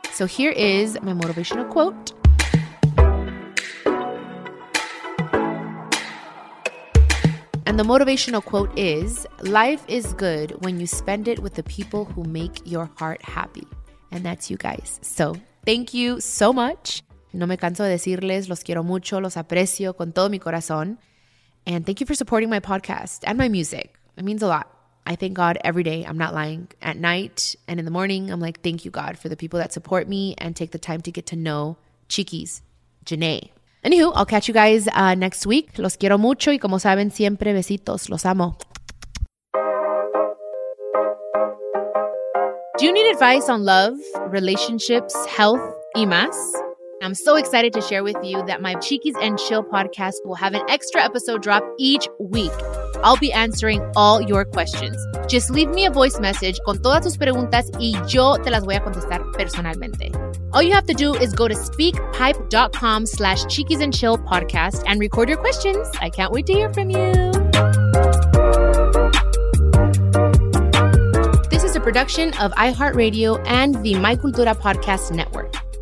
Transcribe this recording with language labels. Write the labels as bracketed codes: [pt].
[en] So here is my motivational quote. And the motivational quote is, life is good when you spend it with the people who make your heart happy. And that's you guys. So thank you so much. [es] No me canso de decirles, los quiero mucho, los aprecio con todo mi corazón. [en] And thank you for supporting my podcast and my music. It means a lot. I thank God every day. I'm not lying. At night and in the morning, I'm like, thank you, God, for the people that support me and take the time to get to know Chiquis, Janae. Anywho, I'll catch you guys next week. [es] Los quiero mucho y como saben siempre, besitos. Los amo. [en] Do you need advice on love, relationships, health, [es] y más? [en] I'm so excited to share with you that my Chiquis and Chill podcast will have an extra episode drop each week. I'll be answering all your questions. Just leave me a voice message [es] con todas tus preguntas y yo te las voy a contestar personalmente. [en] All you have to do is go to speakpipe.com/cheekiesandchillpodcast and record your questions. I can't wait to hear from you. This is a production of iHeartRadio and the My Cultura Podcast Network.